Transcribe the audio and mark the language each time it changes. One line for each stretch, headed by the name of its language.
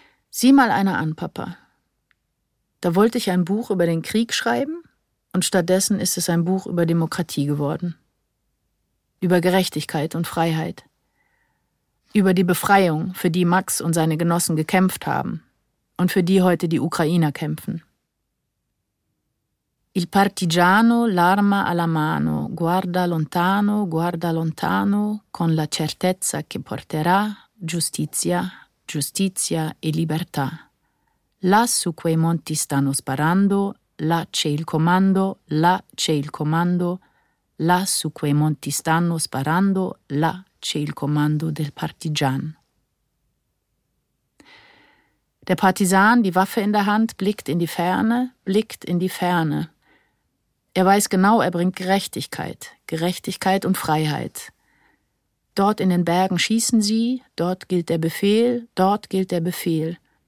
German: Sieh mal einer an, Papa. Da wollte ich ein Buch über den Krieg schreiben und stattdessen ist es ein Buch über Demokratie geworden. Über Gerechtigkeit und Freiheit. Über die Befreiung, für die Max und seine Genossen gekämpft haben und für die heute die Ukrainer kämpfen.
Italian: Il partigiano l'arma alla mano, guarda lontano con la certezza che porterà giustizia, giustizia e libertà. Là su quei monti stanno sparando, là c'è il comando, là c'è il comando, là su quei monti stanno sparando, là c'è il comando del partigiano.
German: Der Partisan, die Waffe in der Hand, blickt in die Ferne, blickt in die Ferne. Er weiß genau, er bringt Gerechtigkeit, Gerechtigkeit und Freiheit. Dort in den Bergen schießen sie, dort gilt der Befehl, dort gilt der Befehl.